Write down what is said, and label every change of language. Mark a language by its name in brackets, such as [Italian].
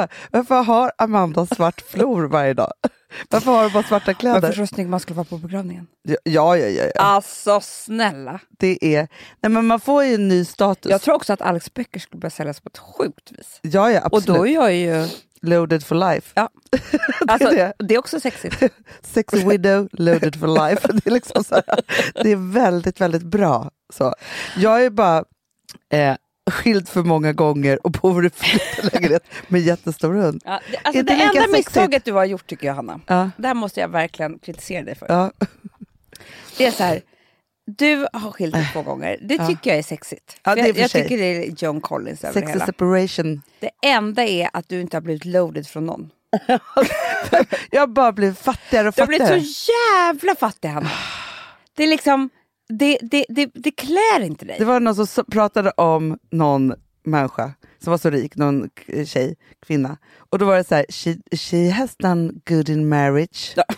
[Swedish] Varför har Amanda svart flor varje dag? Varför har hon bara svarta kläder? Varför så snygg man skulle vara på begravningen? Ja, ja, ja, ja. Alltså, snälla. Det är... Nej, men man får ju en ny status. Jag tror också att Alex böcker skulle börja säljas på ett sjukt vis. Ja, ja, absolut. Och då är jag ju... [English] Loaded for life. [Swedish] Ja. Alltså, det är också sexigt. [English] Sexy widow, loaded for life. [Swedish] Det är liksom så här, det är väldigt, väldigt bra. Så. Jag är bara skild för många gånger och bor i flyttelägenhet med jättestor hund. Ja, det, alltså, det enda misstaget du har gjort tycker jag, Hanna. Ja. Det här måste jag verkligen kritisera dig för. Ja. Det är så här, du har skilt dig två gånger. Det tycker jag är sexigt. Ja, det är jag tycker det är John Collins över [English] sexy [Swedish] hela. Separation. Det enda är att du inte har blivit loaded från någon. Jag har bara blivit fattigare och fattigare. Du har blivit så jävla fattig, Hanna. Det är liksom... Det klär inte dig. Det var någon som pratade om någon människa som var så rik. Någon tjej, kvinna. Och då var det så här... [English] She has done good in marriage.